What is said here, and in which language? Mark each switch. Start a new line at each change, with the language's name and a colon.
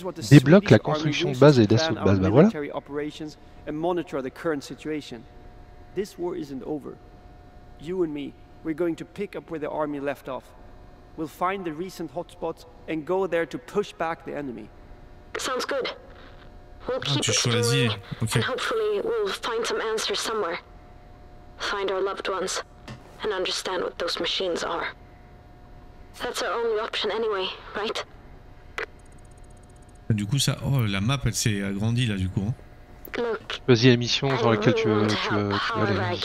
French: Débloque la construction de base et d'assaut de base, bah voilà.
English: And monitor the current situation. This war isn't over. You and me, we're going to pick up where the army left off. We'll find the recent hotspots and go there to push back the enemy. Sounds good. We'll keep exploring, and hopefully we'll find some answers somewhere. Find our loved ones and understand what those machines are. That's our only option anyway, right?
French: Du coup ça, oh la map elle s'est agrandie là du coup. Choisis la mission sur laquelle tu veux, tu veux, tu veux aller.